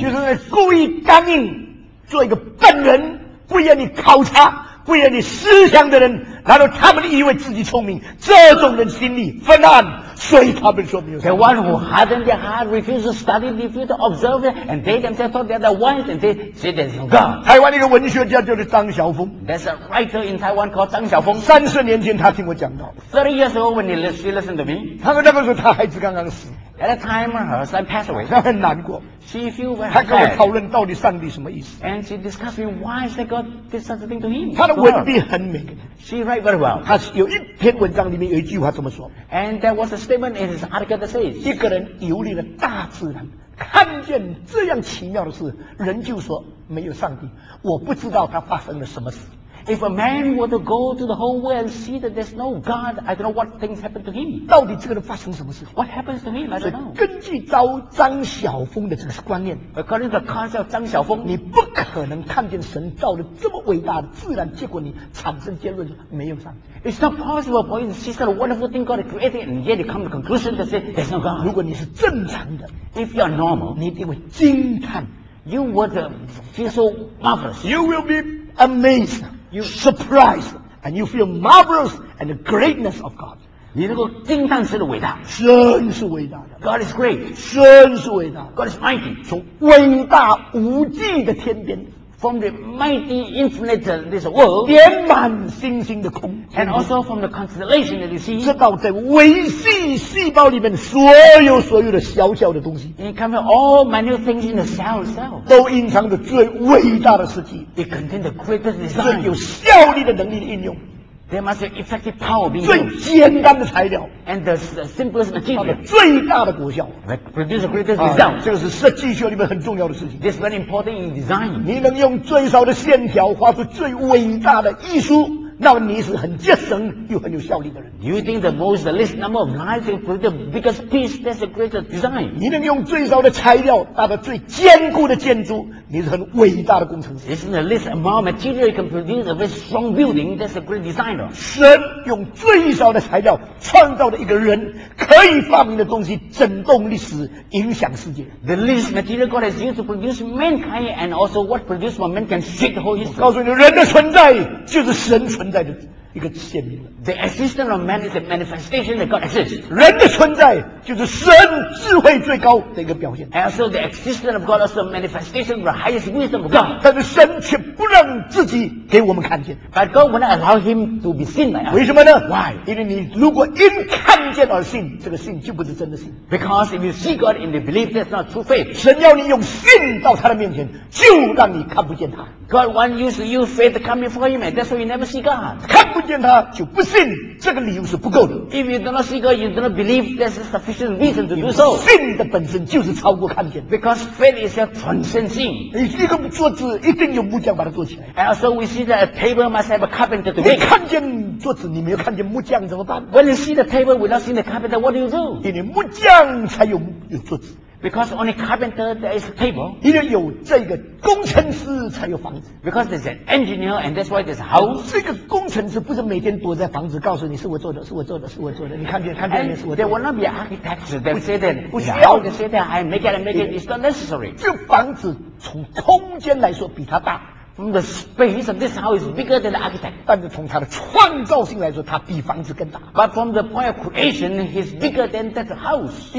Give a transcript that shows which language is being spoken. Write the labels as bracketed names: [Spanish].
[Chinese] 就是故意刚硬做一个笨人不愿意考察不愿意思想的人然后他们以为自己聪明这种人心里昏暗所以他们说没有 [English] 上帝 The one who hardened their heart refused to study refused to observe and they themselves thought they are the wise and they say there's no God [Chinese] 台湾一个文学家叫做张晓峰 [English] There's a writer in Taiwan called 张晓峰 [Chinese] 30年前他听我讲到 [English] 30 years ago when she listened to me [Chinese] 他说那个时候他孩子刚刚死 [English] At a time her son passed away [Chinese] 他很难过 [English] She feel very sad [Chinese] 他跟我讨论到底上帝什么意思 [English] And she discussed with me why is that God did such a thing to him [Chinese] 他的文笔很美 [English] She write very well [Chinese] 他有一篇文章里面有一句话这么说 [English] And there was a statement in his article that says [Chinese] 一个人游历了大自然看见这样奇妙的事人就说没有上帝我不知道他发生了什么事 [English] If a man were to go to the whole world and see that there's no God I don't know what things happen to him [Chinese] 到底这个人发生什么事 [English] What happens to him I don't know [Chinese] 根据张晓峰的这个观念 [English] According to the concept of 张晓峰 [Chinese] 你不可能看见神造了这么伟大的自然结果你产生结论没有上帝 [English] It's not possible for you to see such a wonderful thing God created and yet you come to the conclusion to say there's no God. [Chinese] 如果你是正常的 [English] If you are normal, [Chinese] 你一定会惊叹 [English] You would feel so marvelous. You will be amazed, surprised, and you feel marvelous and the greatness of God. [Chinese] 你能够惊叹神的伟大。神是伟大的。 [English] God is great. [Chinese] 神是伟大的。 [English] God is mighty. [Chinese] 从伟大无际的天边 [English] from the mighty infinite this world， [Chinese] 点满星星的空 [English] ，and also from the constellation that you see， [Chinese] 知道在微细细胞里面所有所有的小小的东西 [English] ，and come from all minute things in the cell itself， [Chinese] 都隐藏着最伟大的设计 [English] ，it contains the greatest design， [Chinese] 最有效力的能力的应用。 [English] There must be effective power being used. [Chinese] 最简单的材料 [English] and the simplest material [Chinese] 最大的果效 [English] produce the greatest result. [Chinese] 这个是设计学里面很重要的事情 [English] This is very important in design. [Chinese] 你能用最少的线条画出最伟大的艺术，那么你是很节省又很有效率的人。 [English] You think the most the least number of lines will produce the biggest piece? That's the greatest design. [Chinese] 你能用最少的材料达到最坚固的建筑，你是很伟大的工程师。 [English] Isn't the least amount of material you can produce a very strong building? That's a great designer. [Chinese] 神用最少的材料创造了一个人可以发明的东西，震动历史，影响世界。 [English] The least material God has used to produce mankind, and also what produced for man can shake the whole history. [Chinese] 告诉你，人的存在就是神。存在的一个鲜明 [English] The existence of man is a manifestation that God exists. [Chinese] 人的存在就是神智慧最高的一个表现 [English] And so the existence of God is a manifestation of the highest wisdom of God. [Chinese] 但是神却不让自己给我们看见 [English] But God will not allow him to be seen by us. [Chinese] 为什么呢 [English] Why? [Chinese] 因为你如果因看见而信这个信就不是真的信 [English] Because if you see God and you believe that's not true faith. [Chinese] 神要你用信到他的面前就让你看不见他 [English] God wants you to use faith to come before Him, and that's why you never see God. [Chinese] 看不见他就不信，这个理由是不够的。 [English] If you do not see God, you do not believe. That's a sufficient reason to do so. [Chinese] 信的本身就是超过看见。 [English] Because faith is a transcending. [Chinese] 一个桌子一定有木匠把它做起来。 [English] And also we see that a table must have a carpenter to make. [Chinese] 你看见桌子，你没有看见木匠怎么办 [English] ？When you see the table without seeing the carpenter, what do you do? [Chinese] 因为木匠才有桌子。 [English] Because only carpenter there is a table. [Chinese] 因为有这个工程师才有房子。 [English] Because there's an engineer and that's why there's a house. [Chinese] 这个工程师不是每天躲在房子告诉你是我做的，是我做的，是我做的。你看见看见没？是我做的。 [English] There will not be architects that say that. [Chinese] 不需要。 [English] They say that I make it and make it. It's not necessary. [Chinese] 这房子从空间来说比它大。 [English] From the space of this house is bigger than the architect. [Chinese] 但是从他的创造性来说，他比房子更大。 [English] But from the point of creation, he's bigger than that house.